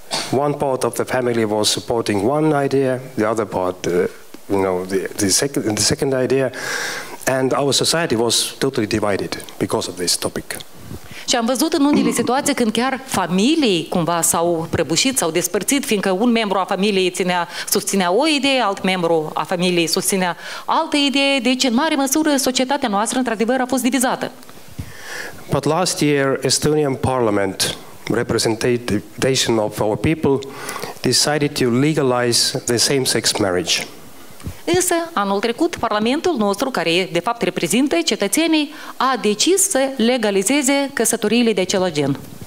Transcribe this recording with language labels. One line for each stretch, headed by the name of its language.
English: One part of the family was supporting one idea, the other part the second idea, and our society was totally divided because of this topic.
Romanian: Și am văzut în unele situații când chiar familii cumva s-au prăbușit, s-au despărțit, fiindcă un membru a familiei susținea o idee, alt membru a familiei susținea altă idee, deci în mare măsură societatea noastră într-adevăr a fost divizată.
English: But last year Estonian Parliament, representation of our people, decided to legalize the same-sex marriage.
Romanian: Însă, anul trecut, Parlamentul nostru, care de fapt reprezintă cetățenii, a decis să legalizeze căsătoriile de același gen.